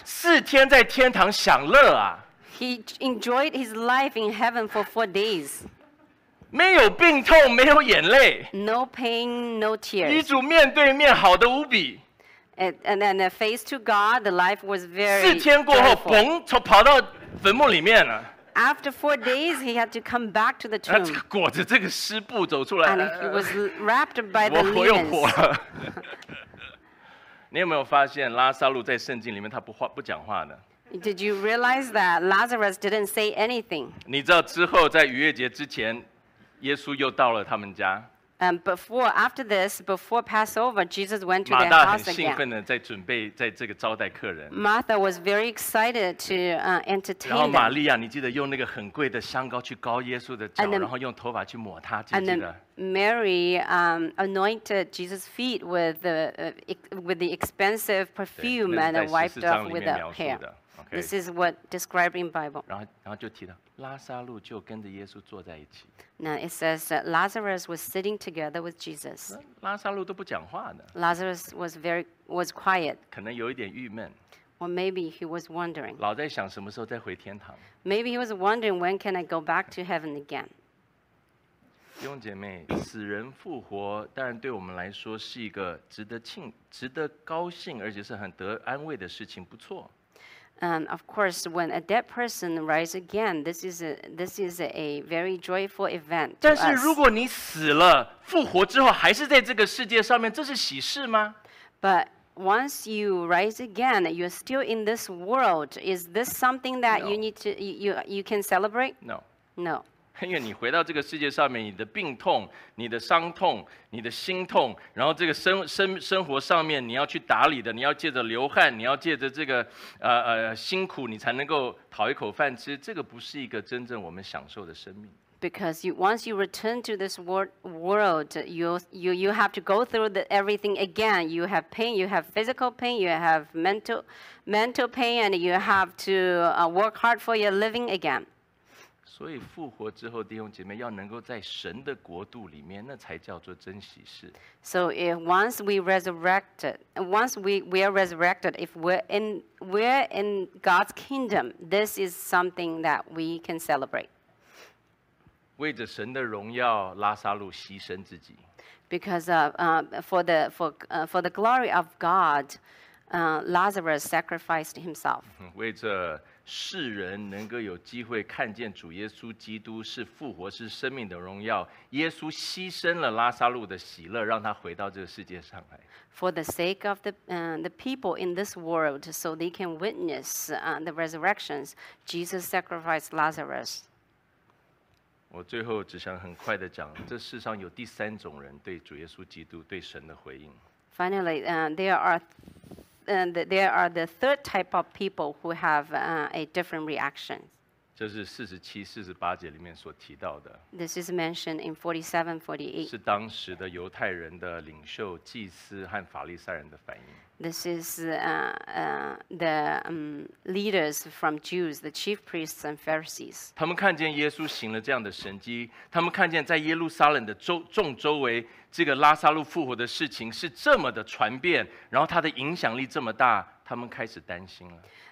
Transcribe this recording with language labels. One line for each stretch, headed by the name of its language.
Chinese: 四天在天堂享乐啊。
English: He enjoyed his life in heaven for 4 days.
Chinese: 没有病痛，没有眼泪。
English: No pain, no tears.
Chinese: 与主面对面，好的无比。
English: And then face to God, the life was very.
Chinese: 四天过后，嘣，跑到坟墓里面了。
English: After 4 days, he had to come back to the tomb.
Chinese: 裹着这个湿布走出来。
English: And he was wrapped by the linens.
Chinese: 我又火了。你有没有发现拉撒路在圣经里面他不讲话的？
English: Did you realize that Lazarus didn't say anything?
Chinese: 你知道之后在逾越节之前，耶稣又到了他们家。
English: Before Passover, Jesus went to their
Chinese: 马大很兴奋的在准备在这个招待客人。
English: Martha was very excited to entertain them.
Chinese: 然后玛利亚，你记得用那个很贵的香膏去膏耶稣的脚，然后用头发去抹他，记得。
English: And then Mary anointed Jesus' feet with the expensive perfume and wiped off with the hair. This is what described in Bible.
Chinese: 然后就提到。拉撒路就跟着耶稣坐在一起。
English: Now it says that Lazarus was sitting together with Jesus.
Chinese: 拉撒路都不讲话的。
English: Lazarus was quiet.
Chinese: 可能有一点郁闷。
English: Or maybe he was wondering.
Chinese: 老在想什么时候再回天堂。
English: Maybe he was wondering when can I go back to heaven again.
Chinese: 弟兄姐妹，死人复活当然对我们来说是一个值得高兴，而且是很得安慰的事情，不错。
English: And of course, when a dead person rises again, this is a very joyful event.
Chinese: 但是如果你死了，复活之后还是在这个世界上面，这是喜事吗？
English: But once you rise again, you're still in this world. Is this something that you need to you can celebrate? No. No.
Chinese: 因为你回到这个世界上面，你的病痛、你的伤痛、你的心痛，然后这个生活上面你要去打理的，你要借着流汗，你要借着这个辛苦，你才能够讨一口饭吃。这个不是一个真正我们享受的生命。
English: Because once you return to this world, you have to go through everything again. You have pain, you have physical pain, you have mental pain, and you have to work hard for your living again.
Chinese: 所以复活之后，弟兄姐妹要能够在神的国度里面，那才叫做真喜事。
English: So if once we are resurrected, if we're in God's kingdom, this is something that we can celebrate.
Chinese: 为着神的荣耀，拉撒路牺牲自己。
English: Because for the glory of God, Lazarus sacrificed himself.
Chinese: 为着世人能够有机会看见主耶稣基督是复活是生命的荣耀，耶稣牺牲了拉撒路的喜乐，让他回到这个世界上来。
English: For the sake of the people in this world, so they can witness the resurrections, Jesus sacrificed Lazarus.
Chinese: 我最后只想很快的讲，这世上有第三种人对主耶稣基督对神的回应。
English: Finally, there are the third type of people who have a different reaction.
Chinese: 这是47-48节里面所提到的。
English: This is mentioned in 47-48.
Chinese: 是当时的犹太人的领袖、祭司和法利赛人的反应。
English: This is the leaders from Jews, the chief priests and Pharisees.
Chinese: 他们看见耶稣行了这样的神迹，他们看见在耶路撒冷的周围，这个拉撒路复活的事情是这么的传遍，然后他的影响力这么大，他们开始担心了。